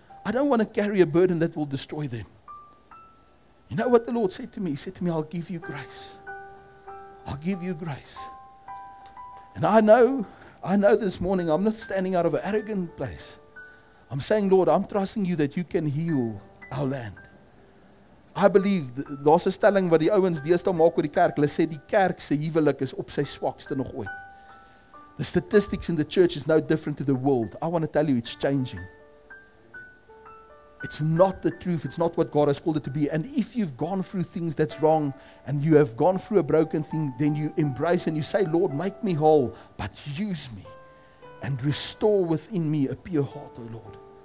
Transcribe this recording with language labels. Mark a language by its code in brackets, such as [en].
[en] I don't want to carry a burden that will destroy them. You know what the Lord said to me? He said to me, I'll give you grace. I'll give you grace. And I know this morning I'm not standing out of an arrogant place. I'm saying, Lord, I'm trusting you that you can heal our land. I believe [af] daar's 'n stelling wat die ouens deesdae maak oor die kerk. Hulle sê die kerk se huwelik is op sy swakste nog ooit. [en] The statistics in the church is no different to the world. I want to tell you it's changing. It's not the truth. It's not what God has called it to be. And if you've gone through things that's wrong and you have gone through a broken thing, then you embrace and you say, Lord, make me whole, but use me and restore within me a pure heart, O Lord.